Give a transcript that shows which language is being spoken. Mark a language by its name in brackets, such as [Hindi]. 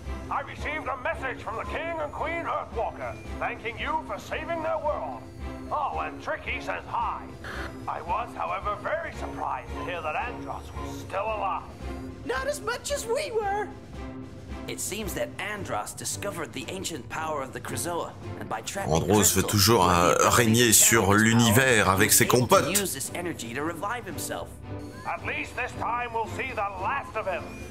[English] I received a message from the King and Queen Earthwalker, thanking you for saving their world! Oh, and Tricky says hi! I was, however, very surprised to hear that Andross was still alive! Not as much as we were! It seems that Andross discovered the ancient power of the Crozoa, and by trapping [French] Andross veut toujours régner sur l'univers avec ses compotes. [English] He used this energy to revive himself. At least this time we'll see the last of him.